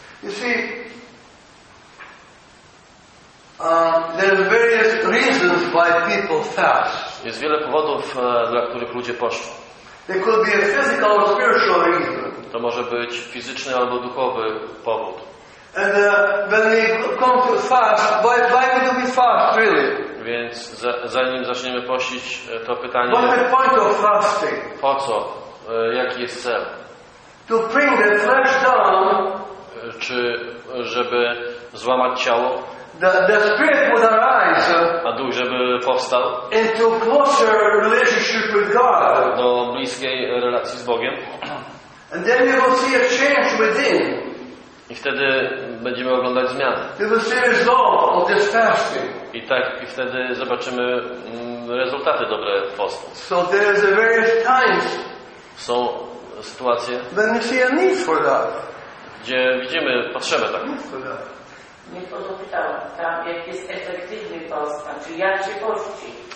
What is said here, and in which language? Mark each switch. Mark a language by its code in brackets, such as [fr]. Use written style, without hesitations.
[en] You see, there are various reasons why people fast. [pl] Jest wiele powodów, dla których ludzie poszli. [en] There could be a physical or spiritual reason. [pl] To może być fizyczny albo duchowy powód. [en] And when we come to fast, why do we fast, really? [pl] Więc zanim zaczniemy pościć, to pytanie. [en] What's the point of fasting? [pl] Po co? Jaki jest cel? [en] To bring the flesh down. [pl] Czy żeby złamać ciało, [en] the spirit would arise, [pl] a duch żeby powstał, [en] into closer relationship with God, [pl] do bliskiej relacji z Bogiem, [en] and then you will see a change within. [pl] I wtedy będziemy oglądać zmiany. [en] You will see the result of this fasting. [pl] I tak, i wtedy zobaczymy rezultaty dobre postu. [en] So there is a various times. [pl] Są sytuacje. [en] Then you see a need for that. [pl] Gdzie widzimy potrzebę tak. Nie to pytał, tam jak jest efektywny post, czy jak się pości.